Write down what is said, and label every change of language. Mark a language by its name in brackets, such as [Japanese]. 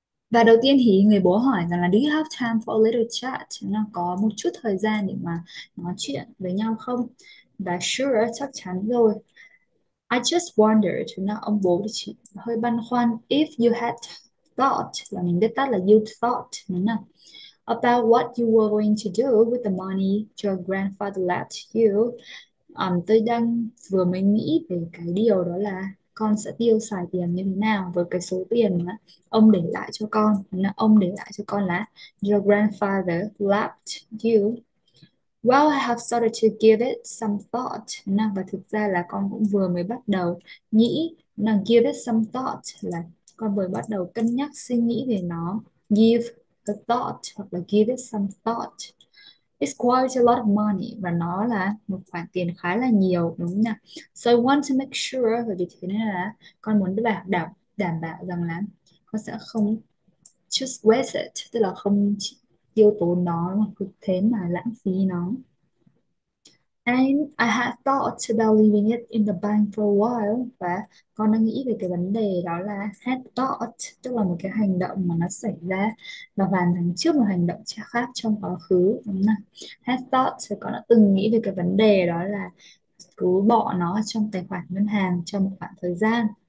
[Vietnamese] Và đầu tiên thì người bố hỏi rằng là [English] do you have time for a little chat? [Vietnamese] Nó có một chút thời gian để mà nói chuyện với nhau không? Và [English] sure, [Vietnamese] chắc chắn rồi. [English] I just wondered, [Vietnamese] chúng nó ông bố chỉ hơi băn khoăn, [English] if you had thought, [Vietnamese] là mình biết tắt là [English] you thought, [Vietnamese] đúng không? [English] About what you were going to do with the money your grandfather left you. [Vietnamese] Tôi đang vừa mới nghĩ về cái điều đó là con sẽ tiêu xài tiền như thế nào với cái số tiền mà ông để lại cho con. Là ông để lại cho con là [English] your grandfather left you. Well, I have started to give it some thought. [Vietnamese] Nào, và thực ra là con cũng vừa mới bắt đầu nghĩ. Nào, [English] give it some thought [Vietnamese] là con vừa bắt đầu cân nhắc suy nghĩ về nó. [English] Give a thought [Vietnamese] hoặc là [English] give it some thought. It's quite a lot of money [Vietnamese] và nó là một khoản tiền khá là nhiều đúng không nào? [English] So I want to make sure, [Vietnamese] và vì thế nên là con muốn đảm bảo rằng là con sẽ không [English] just waste it, [Vietnamese] tức là không tiêu tốn nó mà cứ thế mà lãng phí nó. [English] And I had thought about leaving it in the bank for a while. [Vietnamese] Và con đang nghĩ về cái vấn đề đó là [English] had thought, [Vietnamese] tức là một cái hành động mà nó xảy ra và hoàn thành trước một hành động khác trong quá khứ. Đúng không? Had thought, thì con đã từng nghĩ về cái vấn đề đó là cứ bỏ nó trong tài khoản ngân hàng cho một khoảng thời gian.